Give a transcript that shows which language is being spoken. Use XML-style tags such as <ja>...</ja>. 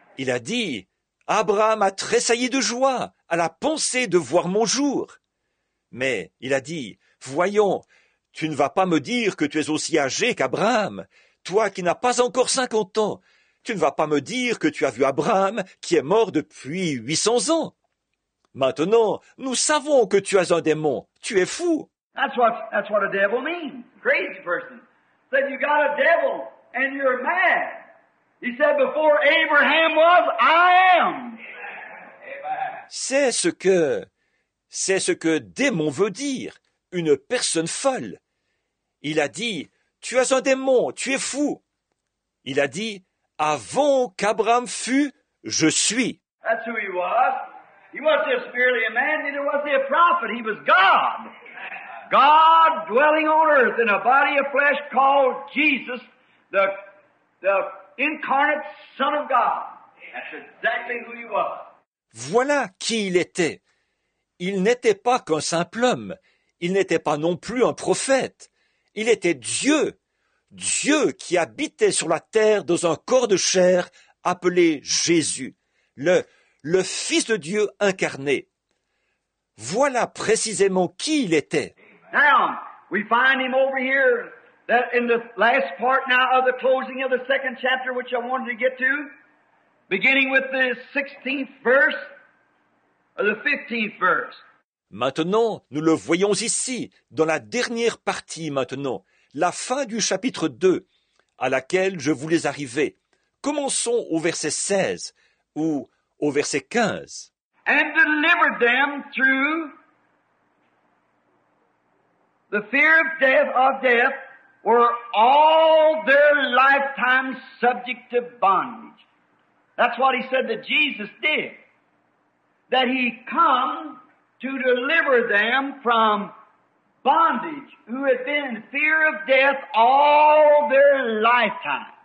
<fr>Il a dit, « Abraham a tressailli de joie à la pensée de voir mon jour. » Mais il a dit, « Voyons, tu ne vas pas me dire que tu es aussi âgé qu'Abraham, toi qui n'as pas encore 50 ans. Tu ne vas pas me dire que tu as vu Abraham qui est mort depuis 800 ans. Maintenant, nous savons que tu as un démon. Tu es fou. »</fr> <en>That's what a devil means. Crazy person. Said you got a devil and you're mad. He said before Abraham was, I am.</en> <fr>C'est ce que démon veut dire. Une personne folle. Il a dit, « Tu as un démon, tu es fou. » Il a dit, « Avant qu'Abraham fût, je suis. »</fr> <en>That's who he was. He wasn't just merely a man, neither was he a prophet. He was God. God dwelling on earth in a body of flesh called Jesus, the incarnate Son of God. That's exactly who he was.</en> <fr>Voilà qui il était. Il n'était pas qu'un simple homme. Il n'était pas non plus un prophète. Il était Dieu, Dieu qui habitait sur la terre dans un corps de chair appelé Jésus, le Fils de Dieu incarné. Voilà précisément qui il était.</fr> <en>Now, we find him over here, that in the last part now of the closing of the second chapter, which I wanted to get to, beginning with the 16th verse, or the 15th verse.</en> <fr>Maintenant, nous le voyons ici, dans la dernière partie maintenant, la fin du chapitre 2, à laquelle je voulais arriver, Commençons au verset 16 ou au verset 15.</fr> <en>And deliver them through the fear of death were all their lifetime subject to bondage. That's what he said that Jesus did. That he come to deliver them from bondage, who had been in fear of death all their lifetime.</en>